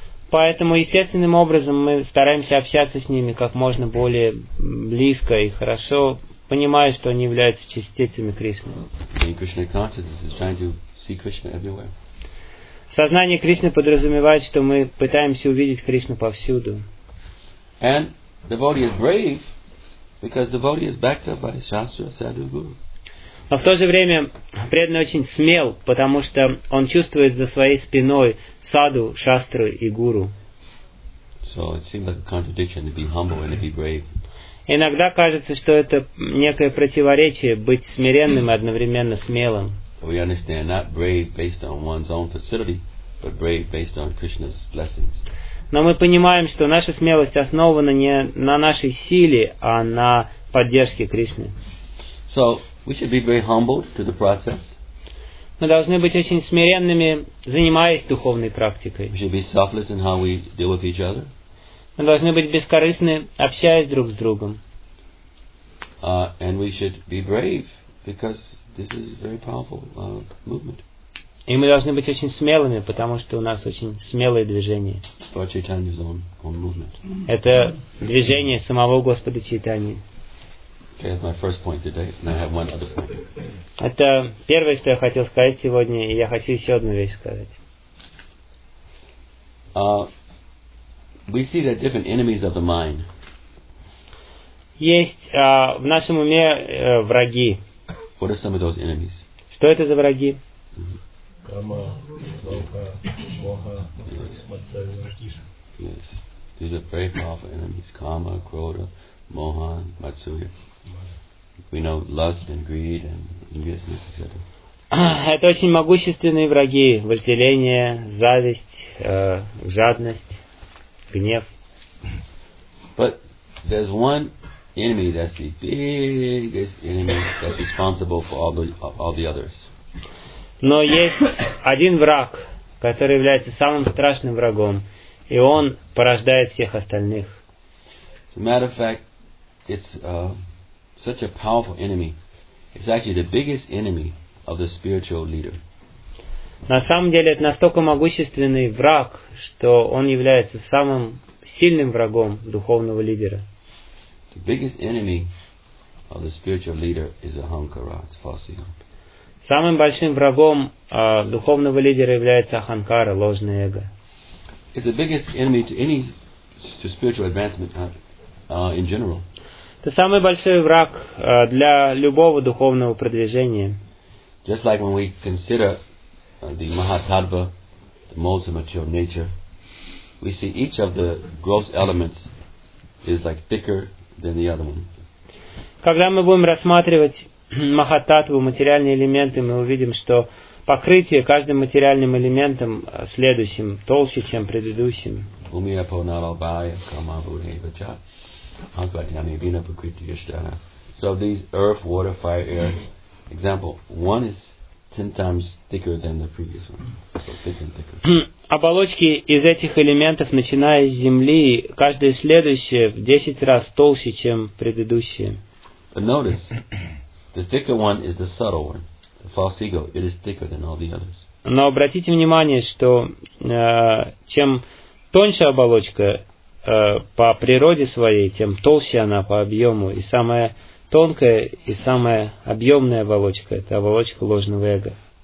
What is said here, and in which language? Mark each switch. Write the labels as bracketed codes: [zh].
[ru] Поэтому естественным образом мы стараемся общаться с ними как можно более близко и хорошо, понимая, что они являются частицами Кришны. [en] In Krishna consciousness is trying to see Krishna everywhere. [ru] Сознание Кришны подразумевает, что мы пытаемся увидеть Кришну повсюду. [en] And devotee is brave because devotee is backed up by Shastra, Sadhu, Guru. [ru] Но в то же время преданный очень смел, потому что он чувствует за своей спиной саду, шастру и гуру. [en] So it seems like a contradiction to be humble and to be brave. [ru] Иногда кажется, что это некое противоречие быть смиренным и одновременно смелым. [en] We understand not brave based on one's own facility, but brave based on Krishna's blessings. [ru] Но мы понимаем, что наша смелость основана не на нашей силе, а на поддержке Кришны. [en] So we should be very humble to the process. [ru] Мы должны быть очень смиренными, занимаясь духовной практикой. [en] We should be selfless in how we deal with each other. [ru] Мы должны быть бескорыстны, общаясь друг с другом. [en] And we should be brave because this is a very powerful movement. [ru] И мы должны быть очень смелыми, потому что у нас очень смелое движение. [en] Lord Chaitanya's own movement. [ru] Это движение самого Господа Чайтаньи. [en] Okay, that's my first point today, and I have one other point. [ru] Это первое, что я хотел сказать сегодня, и я хочу еще одну вещь сказать. [en] We see that different enemies of the mind. [ru] Есть в нашем уме враги. [en] What are some of those enemies? [ru] Что это за враги? [sa] Кама, лоха, моха, матсурья. [en] Yes, these are very powerful enemies: Kama, Krodha, Moha, Matsurya. we know lust and greed and envious, etc. [ru] Это очень могущественные враги: вожделение, зависть, жадность, гнев. [en] But there's one enemy that's the biggest enemy that's responsible for all the others. [ru] Но есть один враг, который является самым страшным врагом, и он порождает всех остальных. [en] As a matter of fact, it's such a powerful enemy. It's actually the biggest enemy of the spiritual leader. [ru] На самом деле это настолько могущественный враг, что он является самым сильным врагом духовного лидера. [en] The biggest enemy of the spiritual leader is ahankara, it's false ego. [ru] Самым большим врагом духовного лидера является аханкара, ложное эго. [en] It's the biggest enemy to any to spiritual advancement in general. [ru] Это самый большой враг для любого духовного продвижения. [en] Just like when we consider the Mahatattva, the modes of material nature, we see each of the gross elements is like thicker than the other one. [ru] Когда мы будем рассматривать Махаттатву, материальные элементы, мы увидим, что покрытие каждым материальным элементом следующим толще, чем предыдущим. [sa] Умия Пунаралбая, Кама Бурхевача, Ангватьями Вина Пакрити Яштана. [en] So these earth, water, fire, air, example, one is 10 times thicker than the previous one. So thicker and thicker. [ru] Оболочки из этих элементов, начиная с земли, каждое следующее в 10 раз толще, чем предыдущее. [en] But notice, the thicker one is the subtle one. The false ego, it is thicker than all the others. [ru] Но обратите внимание, что чем тоньше оболочка по природе своей, тем толще она по объему. И самая тонкая и самая объемная оболочка — это оболочка ложного эго.